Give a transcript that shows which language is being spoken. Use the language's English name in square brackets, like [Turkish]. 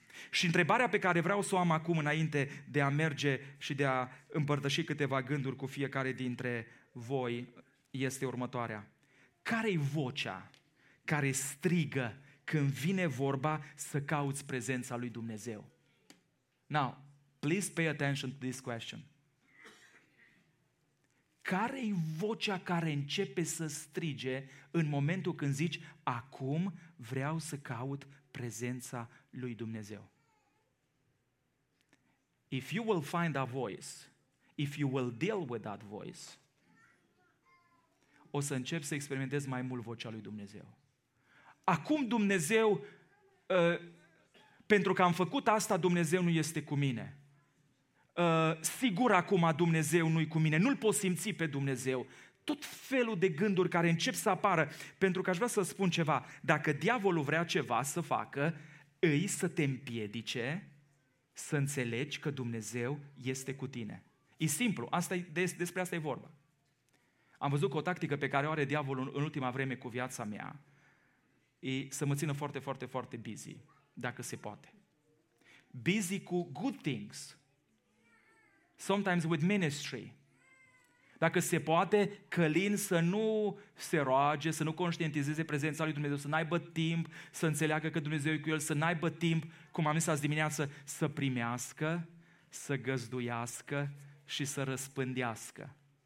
[Romanian] Și întrebarea pe care vreau să o am acum înainte de a merge și de a împărtăși câteva gânduri cu fiecare dintre voi este următoarea. Care-i vocea care strigă când vine vorba să cauți prezența lui Dumnezeu? [English] Now, please pay attention to this question. [Romanian] Care-i vocea care începe să strige în momentul când zici acum vreau să caut prezența lui Dumnezeu? [English] If you will find a voice, if you will deal with that voice, [Romanian] o să încep să experimentez mai mult vocea lui Dumnezeu. Acum Dumnezeu, pentru că am făcut asta, Dumnezeu nu este cu mine. Sigur acum Dumnezeu nu-i cu mine, nu-l pot simți pe Dumnezeu. tot felul de gânduri care încep să apară, pentru că aș vrea să spun ceva. Dacă diavolul vrea ceva să facă, îi să te împiedice să înțelegi că Dumnezeu este cu tine. E simplu, despre asta e vorba. Am văzut că o tactică pe care o are diavolul în ultima vreme cu viața mea e să mă țină foarte, foarte, foarte busy, dacă se poate. [English] Busy cu good things, sometimes with ministry. [Romanian] Dacă se poate, călin să nu se roage, să nu conștientizeze prezența lui Dumnezeu, să n-aibă timp să înțeleagă că Dumnezeu e cu el, să n-aibă timp, cum am zis azi dimineață, să primească, să găzduiască și să răspândească.